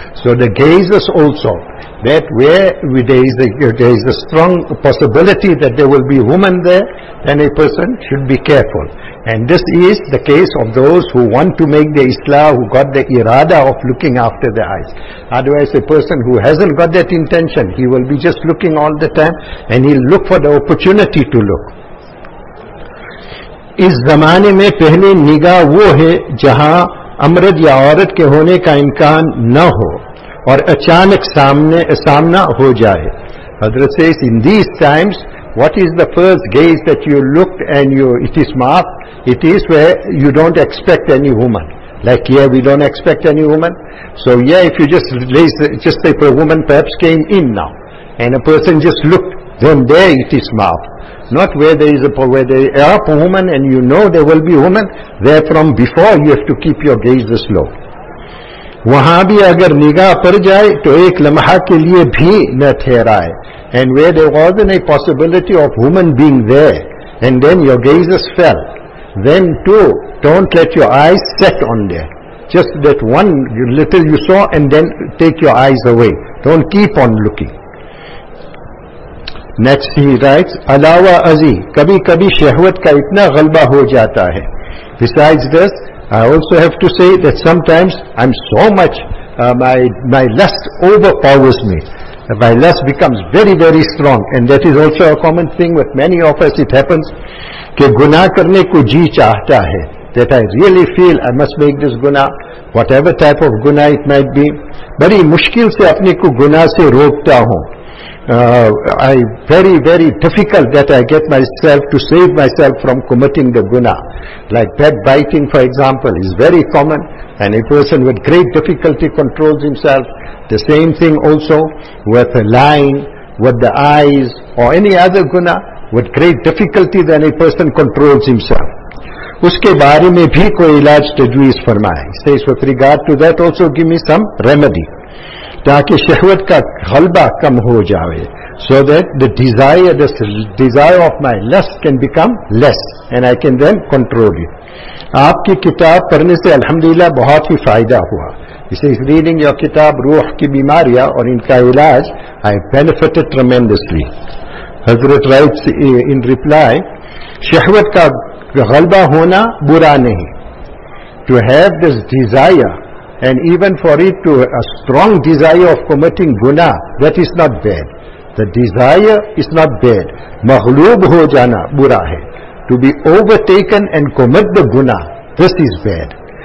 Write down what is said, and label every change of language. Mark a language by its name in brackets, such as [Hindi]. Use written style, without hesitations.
[English] So the gazes also, that where there is a strong possibility that there will be a woman there, then a person should be careful. And this is the case of those who want to make the islah, who got the irada of looking after their eyes. Otherwise, a person who hasn't got that intention, he will be just looking all the time, and he'll look for the opportunity to look. [Urdu] اس زمانے میں پہلے نگاہ وہ ہے جہاں امرد یا عورت کے ہونے کا امکان نہ ہو اور اچانک سامنا ہو جائے. [English] Hazrat says, in these times, what is the first gaze that you looked and you, it is marked, it is where you don't expect any woman. Like here, we don't expect any woman. So yeah, if you just say for a woman perhaps came in now, and a person just looked, then there it is marked. Not where there is a, where there are a woman and you know there will be a woman, there from before you have to keep your gaze this low. [Urdu] وہاں بھی اگر نگاہ پڑ جائے تو ایک لمحہ کے لیے بھی نہ ٹھہرائے. [English] And where there was an a possibility of woman being there and then your gaze is fell then to don't let your eyes sit on there just that one little you so and then take your eyes away don't keep on looking. Next he writes [Urdu] علاوہ ازی کبھی کبھی شہوت کا اتنا غلبہ ہو جاتا ہے. [English] Beside this I also have to say that sometimes I'm so much, my lust overpowers me. My lust becomes very, very strong. And that is also a common thing with many of us. It happens [Urdu] کہ گناہ کرنے کو جی چاہتا ہے. [English] That I really feel I must make this guna, whatever type of guna it might be. [Urdu] بڑی مشکل سے اپنے کو گناہ سے روکتا ہوں. [English] I very, very difficult that I get myself to save myself from committing the guna. Like bed biting, for example, is very common, and a person with great difficulty controls himself. The same thing also with lying, with the eyes, or any other guna, with great difficulty then a person controls himself. [Urdu] اس کے بارے میں بھی کوئی علاج تجویز فرمائے. [English] He says, with regard to that also give me some remedy. [Urdu] تاکہ شہوت کا غلبہ کم ہو جاوے. [English] So that the desire of my lust can become less and I can then control it. [Urdu] آپ کی کتاب پڑھنے سے الحمدللہ بہت ہی فائدہ ہوا. [English] اسے reading your کتاب [Urdu] روح کی بیماریاں اور ان کا علاج [English] I benefited tremendously. [Urdu] حضرت [English] writes in reply, [Urdu] شہوت کا غلبہ ہونا برا نہیں. [English] To have this desire and even for it to a strong desire of committing guna, that is not bad. The desire is not bad. [Urdu] Maghloob ho jana bura hai. [English] To be overtaken and commit the guna, this is bad.